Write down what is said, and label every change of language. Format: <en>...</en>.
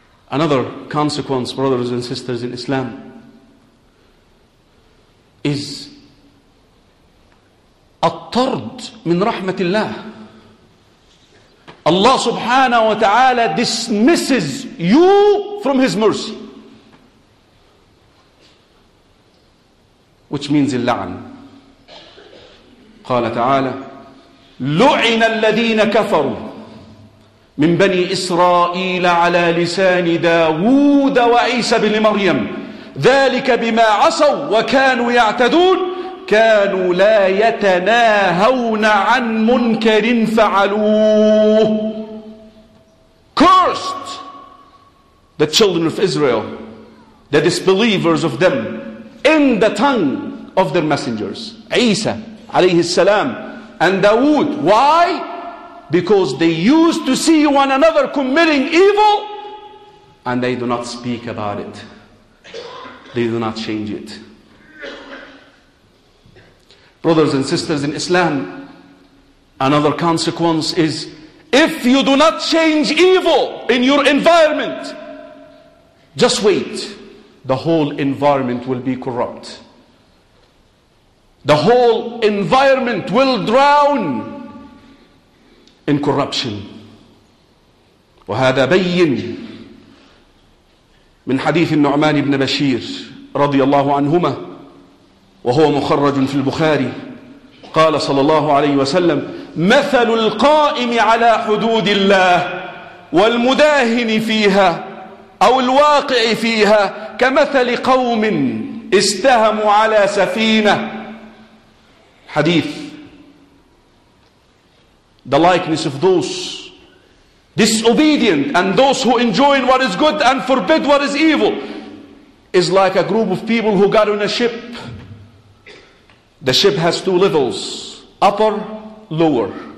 <en>Another consequence, brothers and sisters in Islam, is</en> <ar>الطرد من رحمة الله.</ar> <en>Allah subhanahu wa ta'ala dismisses you from His mercy. Which means اللعن.</en> <ar>قال تعالى لعن الذين كفروا من بني إسرائيل على لسان داود وعيسى بن مريم ذلك بما عصوا وكانوا يعتدون كانوا لا يتناهون عن منكر فعلوه.</ar> <en>Cursed the children of Israel, the disbelievers of them, in the tongue of their messengers, Isa</en> <ar>عليه السلام</ar> <en>and Dawood. Why? Because they used to see one another committing evil and they do not speak about it. They do not change it. Brothers and sisters in Islam, another consequence is if you do not change evil in your environment, just wait. The whole environment will be corrupt. The whole environment will drown in corruption.</en> <ar>وهذا بين من حديث النعمان بن بشير رضي الله عنهما وهو مخرج في البخاري قال صلى الله عليه وسلم مثل القائم على حدود الله والمداهن فيها أو الواقع فيها كمثل قوم استهموا على سفينة.</ar> <en>Hadith. The likeness of those disobedient and those who enjoin what is good and forbid what is evil is like a group of people who got on a ship. The ship has two levels, upper, lower.</en>